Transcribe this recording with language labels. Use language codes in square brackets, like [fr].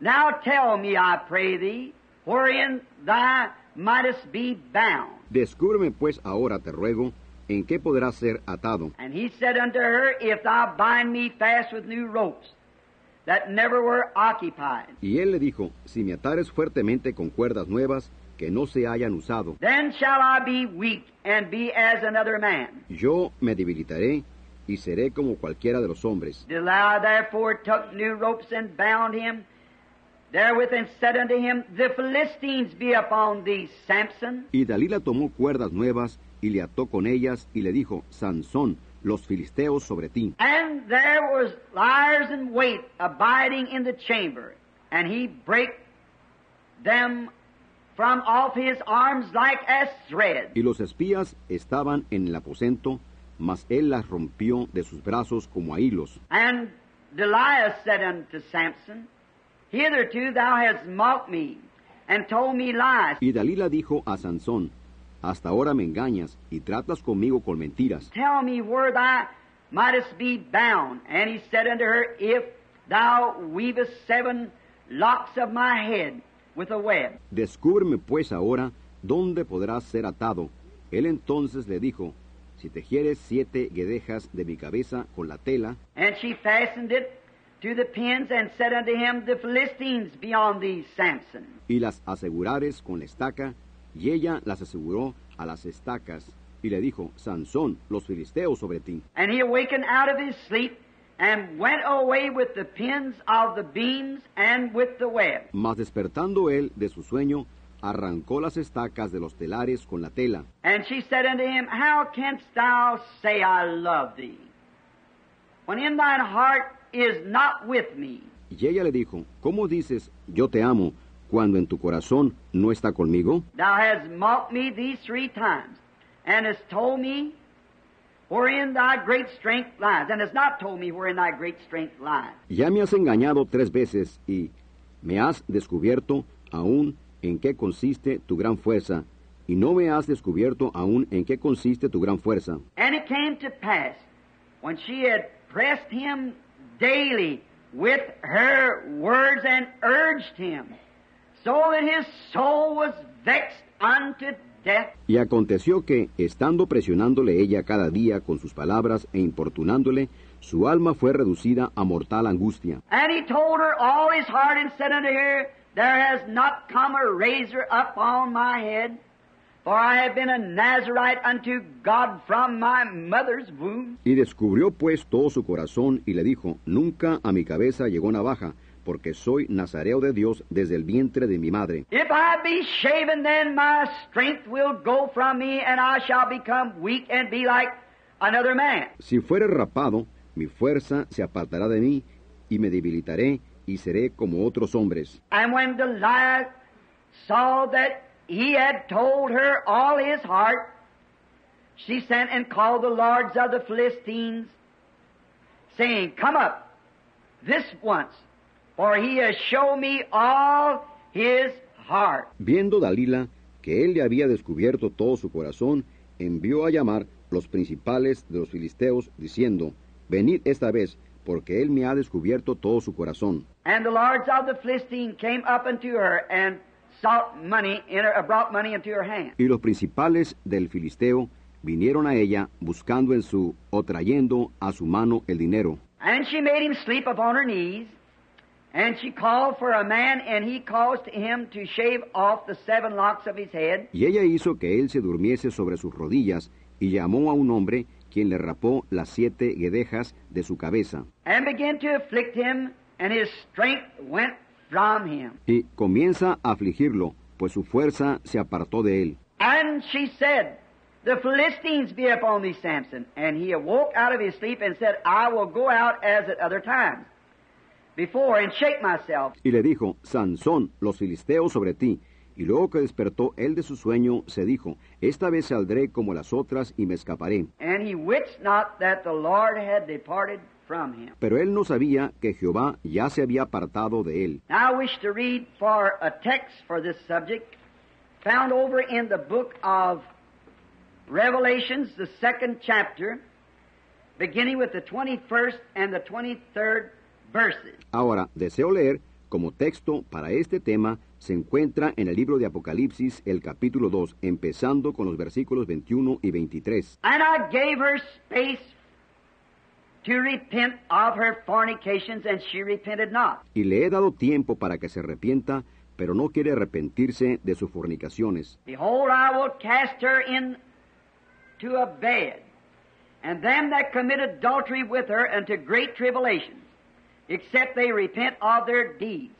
[en] Now tell me, I pray thee, wherein thou mightest be bound. [es] Descúbreme, pues, ahora, te ruego, ¿en qué podrá ser atado? [en] And he said unto her, If thou bind me fast with new ropes that never were occupied. [es] Y él le dijo, si me atares fuertemente con cuerdas nuevas que no se hayan usado. [en] Then shall I be weak and be as another man. [es] Yo me debilitaré y seré como cualquiera de los hombres. [en] Delilah therefore took new ropes and bound him therewith and said unto him, The Philistines be upon thee, Samson. [es] Y Dalila tomó cuerdas nuevas y le ató con ellas, y le dijo, Sansón, los filisteos sobre ti. [en] And there was liers in wait abiding in the chamber, and he brake them from off his arms like as thread. [es] Y los espías estaban en el aposento, mas él las rompió de sus brazos como a hilos. [en] And Delilah said unto Samson, Hitherto thou hast mocked me, and told me lies. [es] Y Dalila dijo a Sansón, Hasta ahora me engañas y tratas conmigo con mentiras. [en] Tell me where thou mightest be bound. And he said unto her, If thou weavest 7 locks of my head with a web. [es] Descúbreme pues ahora dónde podrás ser atado. Él entonces le dijo, Si tejieres 7 guedejas de mi cabeza con la tela. [en] And she fastened it to the pins and said unto him, The Philistines be on thee, Samson. [es] Y las asegurares con la estaca. Y ella las aseguró a las estacas, y le dijo, Sansón, los filisteos sobre ti. [en] And he awakened out of his sleep, and went away with the pins of the beams and with the web. [es] Mas despertando él de su sueño, arrancó las estacas de los telares con la tela. [en] And she said unto him, How canst thou say I love thee, when in thine heart is not with me? [es] Y ella le dijo, ¿Cómo dices, yo te amo, cuando en tu corazón no está conmigo? [en] Thou hast mocked me these 3 times, and hast told me wherein thy great strength lies, and hast not told me wherein thy great strength lies. [es] Ya me has engañado 3 veces, y me has descubierto aún en qué consiste tu gran fuerza, y no me has descubierto aún en qué consiste tu gran fuerza. [en] And it came to pass, when she had pressed him daily with her words and urged him, so that his soul was vexed unto death. [es] Y aconteció que, estando presionándole ella cada día con sus palabras e importunándole, su alma fue reducida a mortal angustia. [en] And he told her all his heart and said unto her, There has not come a razor upon my head, for I have been a Nazarite unto God from my mother's womb. [es] Y descubrió pues todo su corazón y le dijo, Nunca a mi cabeza llegó navaja, porque soy Nazareo de Dios desde el vientre de mi madre. [en] If I be shaven, then my strength will go from me, and I shall become weak and be like another man. [es] Si fuere rapado, mi fuerza se apartará de mí, y me debilitaré, y seré como otros hombres. [en] And when Delilah saw that he had told her all his heart, she sent and called the lords of the Philistines, saying, come up this once, for he has shown me all his heart. [es] Viendo Dalila que él le había descubierto todo su corazón, envió a llamar los principales de los filisteos, diciendo, venid esta vez, porque él me ha descubierto todo su corazón. [en] And the lords of the Philistines came up unto her and sought money, brought money into her hand. [es] Y los principales del filisteo vinieron a ella buscando en su o trayendo a su mano el dinero. [en] And she made him sleep upon her knees, and she called for a man, and he caused him to shave off the 7 locks of his head. [es] Y ella hizo que él se durmiese sobre sus rodillas, y llamó a un hombre, quien le rapó las 7 guedejas de su cabeza. [en] And began to afflict him, and his strength went from him. [es] Y comienza a afligirlo, pues su fuerza se apartó de él. [en] And she said, the Philistines be upon thee, Samson. And he awoke out of his sleep and said, I will go out as at other times before and shake myself. [es] Y le dijo, Sansón, los filisteos sobre ti. Y luego que despertó él de su sueño, se dijo, esta vez saldré como las otras y me escaparé. [en] And he wist not that the Lord had departed from him. [es] Pero él no sabía que Jehová ya se había apartado de él. [en] Now I wish to read for a text for this subject found over in the book of Revelations, the 2nd chapter, beginning with the 21st and the 23rd verses. [es] Ahora, deseo leer como texto para este tema, se encuentra en el libro de Apocalipsis, el capítulo 2, empezando con los versículos 21 y 23. [en] And I gave her space to repent of her fornications, and she repented not. [es] Y le he dado tiempo para que se arrepienta, pero no quiere arrepentirse de sus fornicaciones. [en] Behold, I will cast her into a bed, and them that commit adultery with her unto great tribulation, except they repent of their deeds.